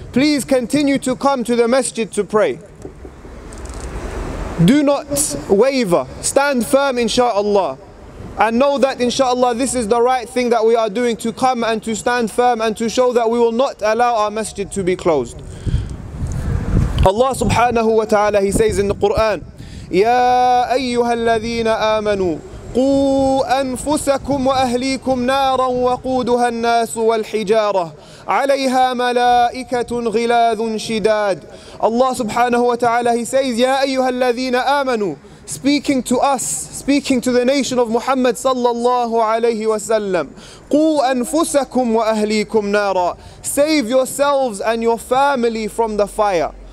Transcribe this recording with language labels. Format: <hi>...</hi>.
<en>Please continue to come to the masjid to pray. Do not waver. Stand firm, inshallah. And know that, inshallah, this is the right thing that we are doing, to come and to stand firm and to show that we will not allow our masjid to be closed. Allah subhanahu wa ta'ala, He says in the Quran,</en> <ar>يَا أَيُّهَا الَّذِينَ آمَنُوا قُوا أَنفُسَكُمْ وَأَهْلِيكُمْ نَارًا وَقُودُهَا النَّاسُ وَالْحِجَارَةُ عَلَيْهَا مَلَائِكَةٌ غِلَاذٌ شِدَادٌ.</ar> <en>Allah subhanahu wa ta'ala, He says,</en> <ar>يَا أَيُّهَا الَّذِينَ آمَنُوا,</ar> <en>speaking to us, speaking to the nation of Muhammad sallallahu alayhi wa sallam,</en> <ar>قُوا أَنفُسَكُمْ وَأَهْلِيكُمْ نَارًا,</ar> <en>save yourselves and your family from the fire.</en>